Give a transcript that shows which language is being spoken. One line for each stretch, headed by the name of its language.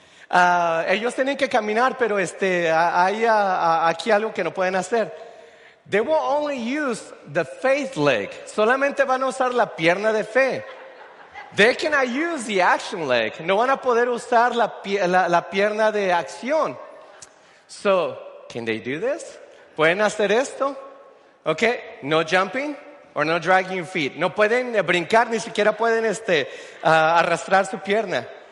Spanish: Ellos tienen que caminar, pero aquí algo que no pueden hacer.
English: They will only use the faith leg.
Spanish: Solamente van a usar la pierna de fe.
English: They cannot use the action leg.
Spanish: No van a poder usar la pierna de acción.
English: So, can they do this?
Spanish: ¿Pueden hacer esto?
English: Okay, no jumping or no dragging your feet.
Spanish: No pueden brincar, ni siquiera pueden arrastrar su pierna.